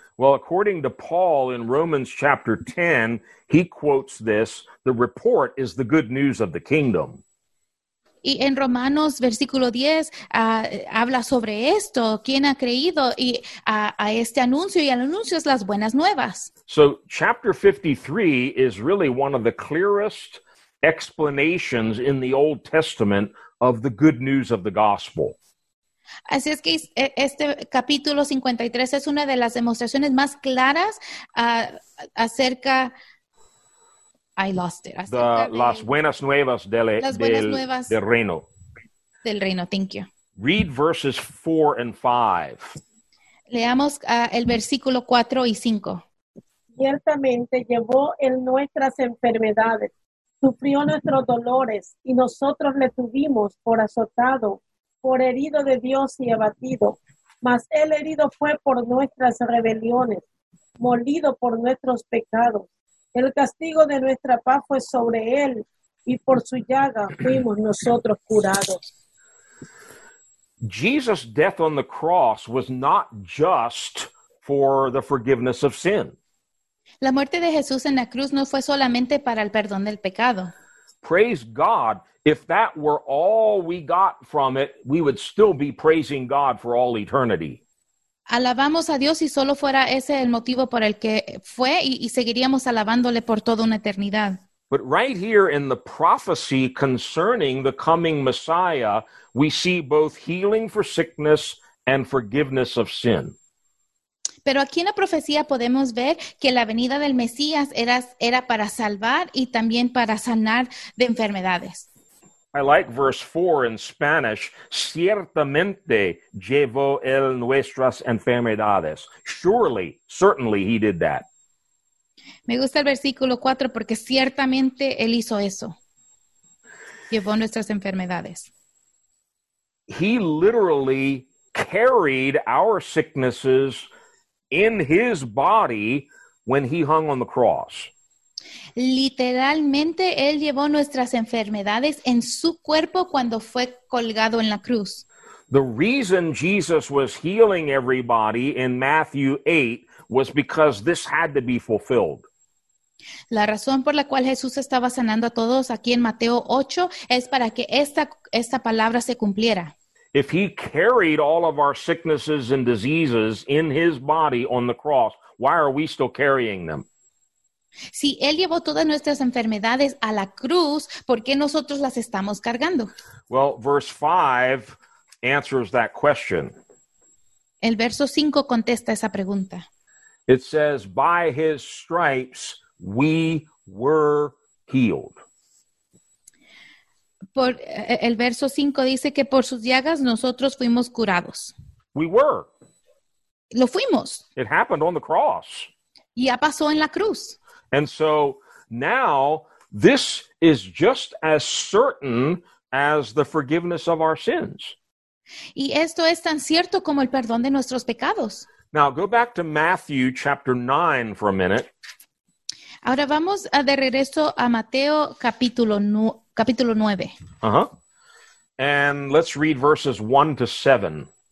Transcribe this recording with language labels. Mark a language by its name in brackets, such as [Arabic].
[English] Well, according to Paul in Romans chapter 10, he quotes this, the report is the good news of the kingdom. [Spanish] Y en Romanos versículo 10 habla sobre esto, ¿quién ha creído y a este anuncio y al anuncio es las buenas nuevas? [English] So chapter 53 is really one of the clearest explanations in the Old Testament of the good news of the gospel. [Spanish] Así es que este capítulo 53 es una de las demostraciones más claras acerca [English] I lost it. [Spanish] The las buenas nuevas del, las buenas del, nuevas del reino. Del reino, [English] thank you. Read verses 4 and 5. [Spanish] Leamos el versículo 4 y 5. Ciertamente llevó él nuestras enfermedades, sufrió nuestros dolores, y nosotros le tuvimos por azotado, por herido de Dios y abatido. Mas él herido fue por nuestras rebeliones, molido por nuestros pecados. El castigo de nuestra paz fue sobre él, y por su llaga fuimos nosotros curados. [English] Jesus' death on the cross was not just for the forgiveness of sin. [Spanish] La muerte de Jesús en la cruz no fue solamente para el perdón del pecado. [English] Praise God, if that were all we got from it, we would still be praising God for all eternity. [Spanish] Alabamos a Dios si solo fuera ese el motivo por el que fue y seguiríamos alabándole por toda una eternidad. [English] But right here in the prophecy concerning the coming Messiah, we see both healing for sickness and forgiveness of sin. [Spanish] Pero aquí en la profecía podemos ver que la venida del Mesías era para salvar y también para sanar de enfermedades. [English] I like verse 4 in Spanish. [Spanish] Ciertamente llevó él nuestras enfermedades. [English] Surely, certainly he did that. [Spanish] Me gusta el versículo 4 porque ciertamente él hizo eso. Llevó nuestras enfermedades. [English] He literally carried our sicknesses in his body when he hung on the cross. [Spanish] Literalmente, él llevó nuestras enfermedades en su cuerpo cuando fue colgado en la cruz. [English] The reason Jesus was healing everybody in Matthew 8 was because this had to be fulfilled. [Spanish] La razón por la cual Jesús estaba sanando a todos aquí en Mateo 8 es para que esta palabra se cumpliera. [English] If he carried all of our sicknesses and diseases in his body on the cross, why are we still carrying them? [Spanish] Si él llevó todas nuestras enfermedades a la cruz, ¿por qué nosotros las estamos cargando? [English] Well, verse 5 answers that question. [Spanish] El verso 5 contesta esa pregunta. [English] It says, by his stripes we were healed. [Spanish] Por el verso 5 dice que por sus llagas nosotros fuimos curados. [English] We were. [Spanish] Lo fuimos. [English] It happened on the cross. [Spanish] Ya pasó en la cruz. [English] And so now this is just as certain as the forgiveness of our sins. [Spanish] Y esto es tan cierto como el perdón de nuestros pecados. [English] Now go back to Matthew chapter 9 for a minute. [Spanish] Ahora vamos a de regreso a Mateo capítulo 9. [English] Uh-huh. And let's read verses 1 to 7.